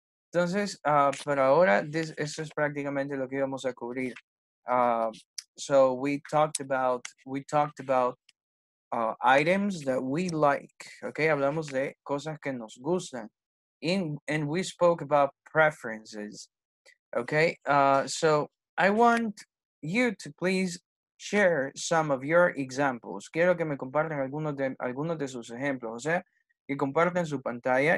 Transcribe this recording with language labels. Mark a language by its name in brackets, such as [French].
[Spanish] Entonces, para ahora, esto es prácticamente lo que vamos a cubrir. [English] So we talked about items that we like, okay? [Spanish] Hablamos de cosas que nos gustan. And we spoke about preferences, okay? [English] So I want you to please share some of your examples. [Spanish] Quiero que me compartan algunos de sus ejemplos. O sea, que compartan su pantalla.